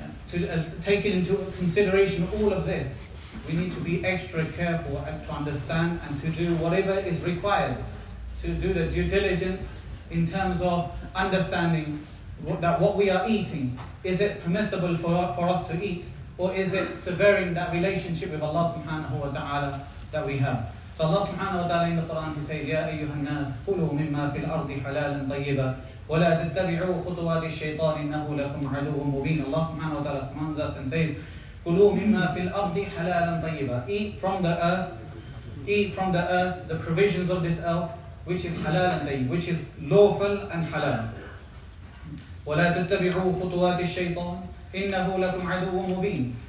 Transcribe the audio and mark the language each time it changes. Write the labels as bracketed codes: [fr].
[en] to take into consideration all of this, we need to be extra careful and to understand and to do whatever is required, to do the due diligence in terms of understanding that what we are eating, is it permissible for us to eat, or is it severing that relationship with Allah subhanahu wa ta'ala that we have. So Allah subhanahu wa ta'ala in the Quran, He says, [ar] يَا أَيُّهَا النَّاسِ كُلُوا مِمَّا فِي الْأَرْضِ حَلَالًا طَيِّبًا وَلَا تَتَّبِعُوا خُطُوَاتِ الشَّيْطَانِ إِنَّهُ لَكُمْ عَدُوٌّ مُبِينٌ. [en] Allah subhanahu wa ta'ala commands us and says, [ar] كُلُوا مِمَّا فِي الْأَرْضِ حَلَالًا طَيِّبًا. [en] Eat from the earth, eat from the earth, the provisions of this earth, which is halal and tayyib, which is lawful and halal. [ar] وَلَا تَتَّبِعُوا خُطُوَاتِ الشَّيْطَانِ إِنَّهُ لَكُمْ عَدُوٌّ مُبِينٌ.